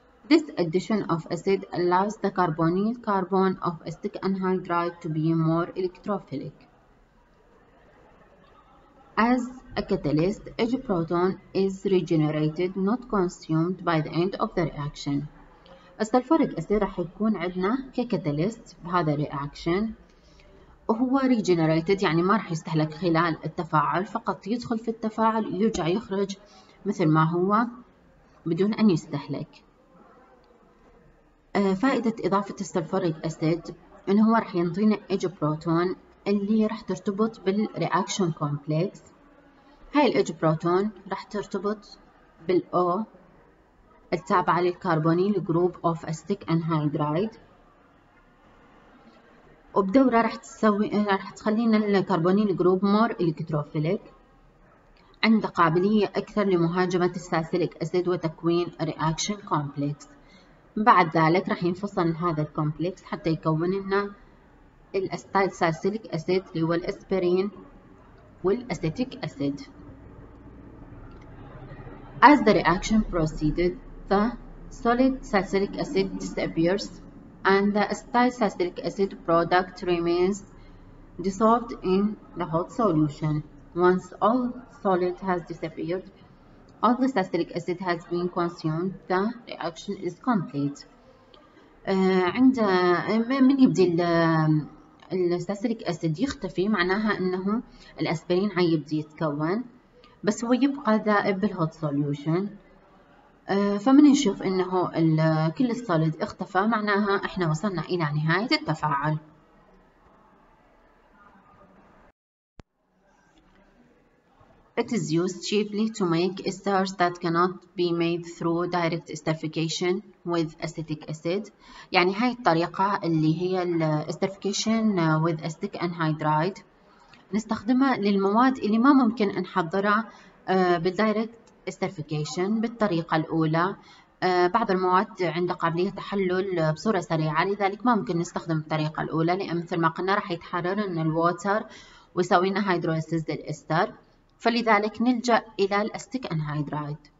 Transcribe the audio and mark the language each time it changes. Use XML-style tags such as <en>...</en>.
<en>This addition of acid allows the carbonyl carbon of acetic anhydride to be more electrophilic. As a catalyst, each proton is regenerated, not consumed by the end of the reaction.</en> <ar>السلفوريك أسيد راح يكون عندنا ككاتاليست بهذا الرياكشن وهو regenerated، يعني ما راح يستهلك خلال التفاعل، فقط يدخل في التفاعل ويرجع يخرج مثل ما هو بدون أن يستهلك. فائدة إضافة السلفوريك أسيد إنه هو راح ينطينا إج بروتون اللي راح ترتبط بالرياكشن كومبلكس. هاي الإج بروتون راح ترتبط بالO التابعة للكربونيل جروب أوف أستيك أنهايدرايد، وبدورة راح تسوي راح تخلينا الكربونيل جروب مور إلكتروفيليك، عند قابلية أكثر لمهاجمة الساسيليك أسيد وتكوين رياكشن كومبلكس. بعد ذلك راح ينفصل هذا الكومبلكس حتى يكون لنا الأستيل ساسيليك أسيد اللي هو الأسبرين والأستيك أسيد.</ar> <en>As the reaction proceeded, the solid salicylic acid disappears and the acetyl salicylic acid product remains dissolved in the hot solution. Once all solid has disappeared, all the salicylic acid has been consumed, the reaction is complete.</en> <ar>عند من يبدي الساسيليك اسيد يختفي معناها انه الاسبرين هيبدي يتكون، بس هو يبقى ذائب بالهوت سوليوشن. فمن نشوف انه كل الصوليد اختفى معناها احنا وصلنا الى نهاية التفاعل.</ar> <en>It is used cheaply to make esters that cannot be made through direct esterification with acetic acid.</en> <ar>يعني هاي الطريقة اللي هي</ar> <en>esterification with acetic anhydride</en> <ar>نستخدمها للمواد اللي ما ممكن نحضرها بالدايركت استرفيكيشن بالطريقة الأولى. بعض المواد عندها قابلية تحلل بصورة سريعة، لذلك ما ممكن نستخدم الطريقة الأولى، لأن مثل ما قلنا راح يتحرر من الووتر ويسوي لنا هيدروليسيس للإستر، فلذلك نلجأ إلى الأستيك أنهيدرايد.</ar>